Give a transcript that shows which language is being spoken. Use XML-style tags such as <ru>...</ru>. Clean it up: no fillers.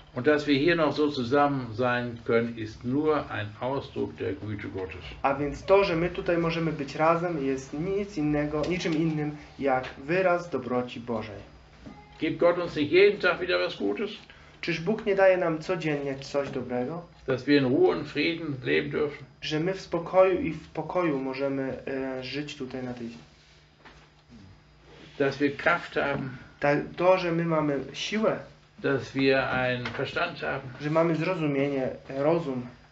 <de>Und dass wir hier noch so zusammen sein können, ist nur ein Ausdruck der Güte Gottes.</de> <pl>A więc to, że my tutaj możemy być razem, jest nic innego, niczym innym, jak wyraz dobroci Bożej.</pl> <de>Gibt Gott uns nicht jeden Tag wieder was Gutes?</de> <pl>Czyż Bóg nie daje nam codziennie coś dobrego?</pl> <de>Dass wir in Ruhe und Frieden leben dürfen.</de> <pl>Że my w spokoju i w pokoju możemy żyć tutaj na tej ziemi.</pl> <de>Dass wir Kraft haben.</de> <pl>To, że my mamy siłę.</pl> <de>Dass wir einen Verstand haben.</de> <pl>Że mamy zrozumienie, rozum.</pl>